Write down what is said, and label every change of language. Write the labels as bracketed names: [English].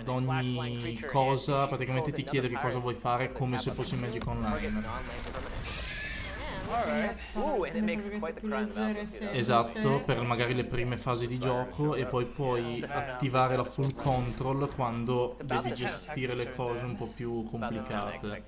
[Italian] ad ogni cosa, praticamente ti chiede che cosa vuoi fare come se fossi Magic Online. [English] Alright. Ooh, and it makes quite the crime about it. [Italian] Esatto, per magari le prime fasi di gioco e poi puoi attivare la full control quando devi gestire le cose un po' più complicate.